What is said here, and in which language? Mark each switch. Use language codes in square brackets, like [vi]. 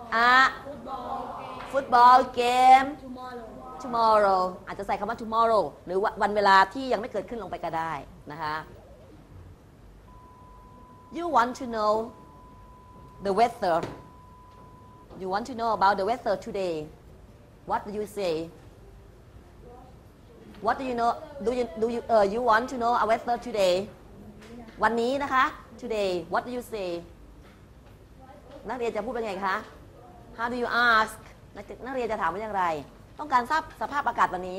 [en] a football game tomorrow [th] อาจจะใส่คำว่า [en] tomorrow [th] หรือวันเวลาที่ยังไม่เกิดขึ้นลงไปก็ได้นะคะ [en] You want to know the weather You want to know about the weather today What do you say? What do you know? Do you want to know our weather today? [th] วันนี้นะคะ [en] Today What do you say? [th] นักเรียนจะพูดเป็นไงคะ [en] How do you ask? [th] นักเรียนจะถามว่าอย่างไรต้องการทราบสภาพอากาศวันนี